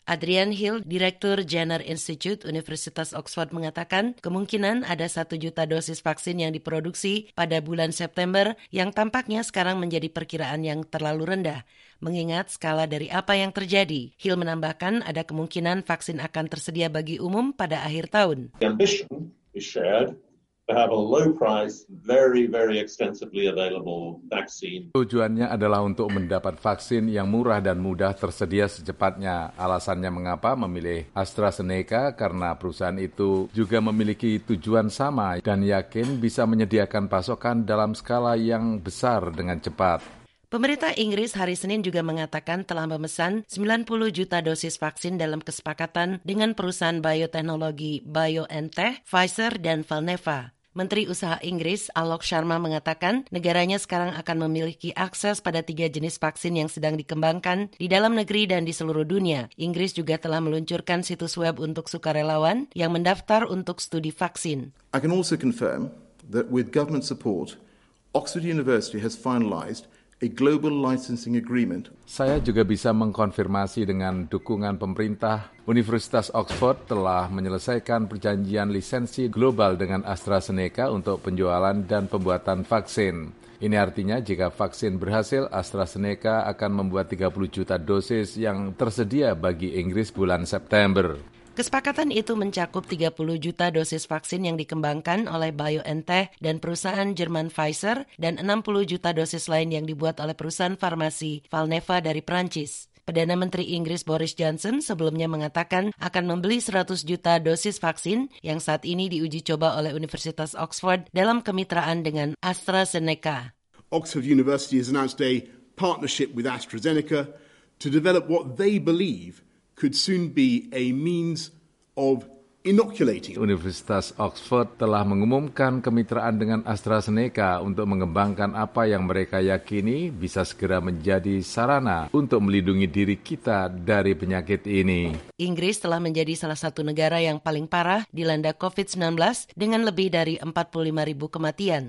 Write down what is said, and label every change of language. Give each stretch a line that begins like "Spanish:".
Indonesian: Adrian Hill, Direktur Jenner Institute Universitas Oxford mengatakan kemungkinan ada 1 juta dosis vaksin yang diproduksi pada bulan September yang tampaknya sekarang menjadi perkiraan yang terlalu rendah. Mengingat skala dari apa yang terjadi, Hill menambahkan ada kemungkinan vaksin akan tersedia bagi umum pada akhir tahun.
English: The ambition is shared to have a low price, very, very extensively available vaccine.
Indonesian: Tujuannya adalah untuk mendapat vaksin yang murah dan mudah tersedia secepatnya. Alasannya mengapa memilih AstraZeneca, karena perusahaan itu juga memiliki tujuan sama dan yakin bisa menyediakan pasokan dalam skala yang besar dengan cepat. Pemerintah Inggris hari Senin juga mengatakan telah memesan 90 juta dosis vaksin dalam kesepakatan dengan perusahaan bioteknologi BioNTech, Pfizer, dan Valneva. Menteri Usaha Inggris Alok Sharma mengatakan negaranya sekarang akan memiliki akses pada 3 jenis vaksin yang sedang dikembangkan di dalam negeri dan di seluruh dunia. Inggris juga telah meluncurkan situs web untuk sukarelawan yang mendaftar untuk studi vaksin.
English: I can also confirm that with government support, Oxford University has finalized a global licensing agreement.
Indonesian: Saya juga bisa mengkonfirmasi dengan dukungan pemerintah, Universitas Oxford telah menyelesaikan perjanjian lisensi global dengan AstraZeneca untuk penjualan dan pembuatan vaksin. Ini artinya jika vaksin berhasil, AstraZeneca akan membuat 30 juta dosis yang tersedia bagi Inggris bulan September. Kesepakatan itu mencakup 30 juta dosis vaksin yang dikembangkan oleh BioNTech dan perusahaan Jerman Pfizer dan 60 juta dosis lain yang dibuat oleh perusahaan farmasi Valneva dari Prancis. Perdana Menteri Inggris Boris Johnson sebelumnya mengatakan akan membeli 100 juta dosis vaksin yang saat ini diuji coba oleh Universitas Oxford dalam kemitraan dengan AstraZeneca.
English: Oxford University has announced a partnership with AstraZeneca to develop what they believe could soon be a means of inoculating.
Indonesian: Universitas Oxford telah mengumumkan kemitraan dengan AstraZeneca untuk mengembangkan apa yang mereka yakini bisa segera menjadi sarana untuk melindungi diri kita dari penyakit ini. Inggris telah menjadi salah satu negara yang paling parah dilanda COVID-19 dengan lebih dari 45.000 kematian.